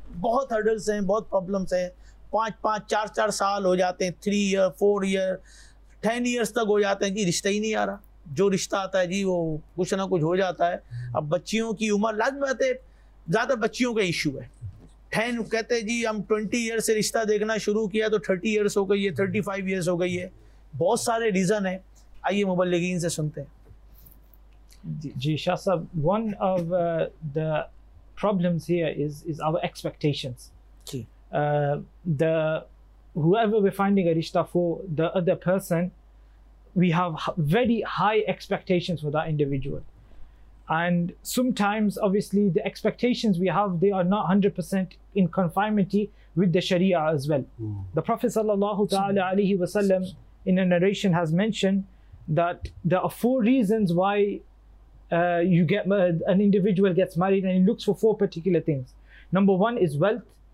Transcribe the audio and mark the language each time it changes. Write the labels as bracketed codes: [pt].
[ur] بہت ہرڈلس ہیں, بہت پرابلمس ہیں. پانچ پانچ چار چار سال ہو جاتے ہیں, 3 ایئر 4 ایئر 10 ایئرس تک ہو جاتے ہیں کہ رشتہ ہی نہیں آ رہا. جو رشتہ آتا ہے جی وہ کچھ نہ کچھ ہو جاتا ہے. اب بچیوں کی عمر لازم ہے, زیادہ بچیوں کا ایشو ہے. 10 کہتے ہیں جی ہم 20 ایئر سے رشتہ دیکھنا شروع کیا تو 30 ایئرس ہو گئی ہے, 35 ایئرس ہو گئی ہے. بہت سارے ریزن ہیں. آئیے مبلغین سے سنتے ہیں. [en] جی شاہ صاحب, one of the problems here is our expectations. جی the however we finding a رشتہ for the other person, we have very high expectations for the individual. And sometimes, obviously, the expectations we have, they are not 100% in conformity with the Sharia as well. The Prophet sallallahu ta'ala alayhi wa sallam in a narration has mentioned that there are 4 reasons why you get an individual gets married and he looks for 4 particular things. Number 1 is wealth.